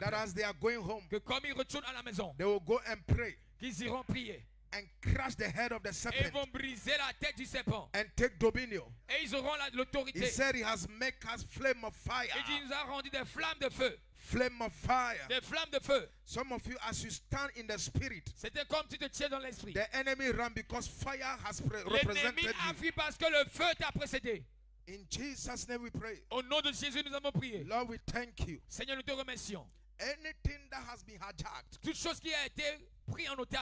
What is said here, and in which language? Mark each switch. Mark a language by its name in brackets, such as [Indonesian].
[English] that as they are going home, [French] que comme ils retournent à la maison [English] they will go and pray, [French] qu'ils iront prier [English] and crush the head of the serpent, [French] et vont briser la tête du serpent [English] and take dominion, [French] et ils auront l'autorité. [English] He said he has made us flame of fire, [French] et il nous a rendu des flammes de feu. [English] Flame of fire. [French] Des flammes de feu. [English] Some of you, as you stand in the spirit, [French] c'était comme tu te tiens dans l'esprit. [English] The enemy ran because fire has represented [French] l'ennemi a fui parce que le feu t'a précédé. [English] In Jesus' name we pray. [French] Au nom de Jésus, nous avons prié. [English] Lord, we thank you. [French] Seigneur, nous te remercions. [English] Anything that has been hijacked, [French] toute chose qui a été pris en otage,